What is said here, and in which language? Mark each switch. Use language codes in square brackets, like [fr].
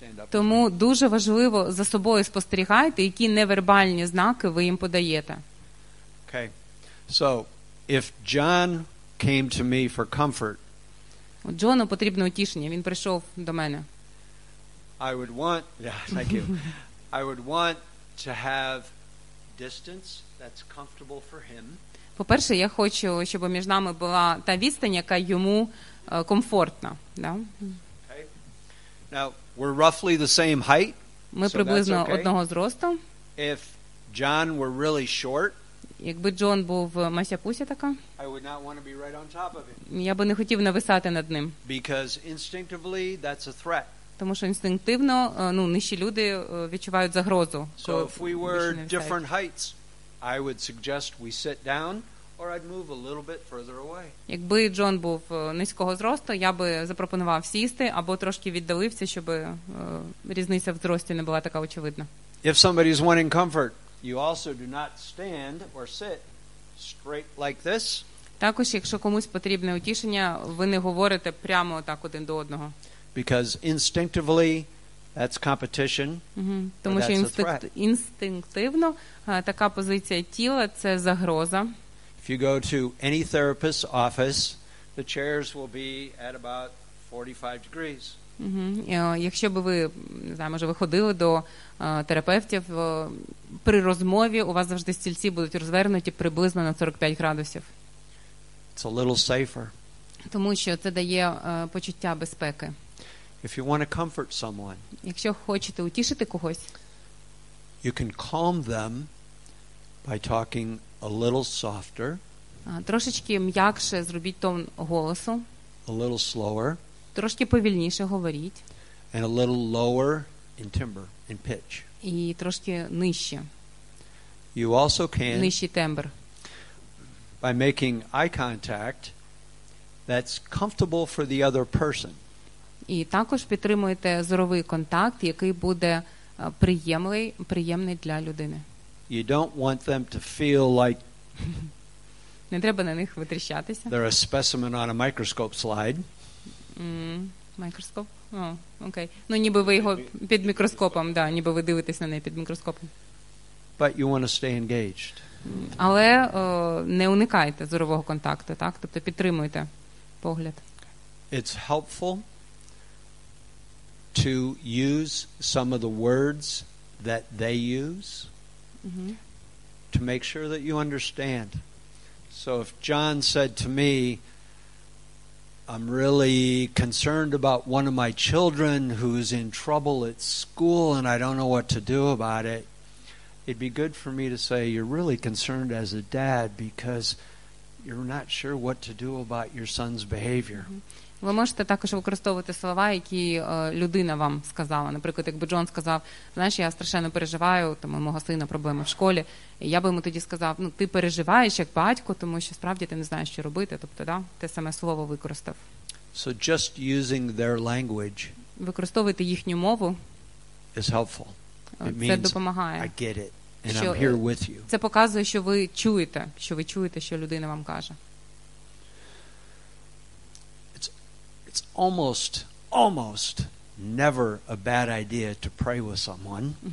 [uk] Тому дуже важливо за собою спостерігати, які невербальні знаки ви їм подаєте. [en] Okay. So, if John came to me for comfort, [uk] Джону потрібно утішення, він прийшов до мене. [en] I would want, yeah, thank you. I would want to have distance that's comfortable for him. [uk] По-перше, я хочу, щоб між нами була та відстань, яка йому комфортна, да? [en] Okay. Now, we're roughly the same height. [uk] Ми приблизно одного зросту. [en] If John were really short, [uk] якби Джон був масяпуся така, [en] I would not want to be right on top of him. [uk] Я би не хотів нависати над ним. [en] Because instinctively that's a threat. [uk] Тому що інстинктивно, ну, нижчі люди відчувають загрозу. [en] So if we were different heights, I would suggest we sit down or I'd move a little bit further away. [uk] Якби Джон був низького зросту, я би запропонував сісти або трошки віддалився, щоб різниця в зрості не була така очевидна. [en] If somebody is wanting comfort, you also do not stand or sit straight like this. [uk] Також, якщо комусь потрібне утішення, ви не говорите прямо так один до одного. [en] Because instinctively That's competition. [uk] Тому що інстинктивно така позиція тіла – це загроза. [en] If you go to any therapist's office, the chairs will be at about 45 degrees. [uk] Якщо б ви, не знаю, може, виходили до терапевтів, при розмові у вас завжди стільці будуть розвернуті приблизно на 45 градусів. [en] It's a little safer. [uk] Тому що це дає почуття безпеки. [en] If you want to comfort someone, [uk] якщо хочете утішити когось, [en] you can calm them by talking a little softer, [uk] трошечки м'якше зробіть тон голосу, [en] a little slower, [uk] трошки повільніше говоріть, [en] and a little lower in timbre, in pitch, [uk] і трошки нижче. [en] You also can, [uk] нижчий тембр, [en] by making eye contact that's comfortable for the other person. [uk] І також підтримуєте зоровий контакт, який буде приємний для людини. [en] You don't want them to feel like [uk] не треба на них витріщатися. [en] They're a specimen on a microscope slide. Microscope? Окей. [uk] Ну, ніби ви його під мікроскопом, да, ніби ви дивитесь на неї під мікроскопом. [en] But you want to stay engaged. [uk] Але не уникайте зорового контакту, так? Тобто підтримуйте погляд. [en] It's helpful to use some of the words that they use to make sure that you understand. So if John said to me, I'm really concerned about one of my children who's in trouble at school and I don't know what to do about it, it'd be good for me to say, you're really concerned as a dad because you're not sure what to do about your son's behavior. [uk] Ви можете також використовувати слова, які людина вам сказала. Наприклад, якби Джон сказав, знаєш, я страшенно переживаю, там у мого сина проблеми в школі, і я би йому тоді сказав, ну, ти переживаєш як батько, тому що справді ти не знаєш, що робити. Тобто, да, те саме слово використав. [en] So just using their language, [uk] використовувати їхню мову, [en] is helpful. [uk] Це допомагає. [en] I get it, and I'm here with you. [uk] Це показує, що ви чуєте, що ви чуєте, що людина вам каже. [en] It's almost never a bad idea to pray with someone.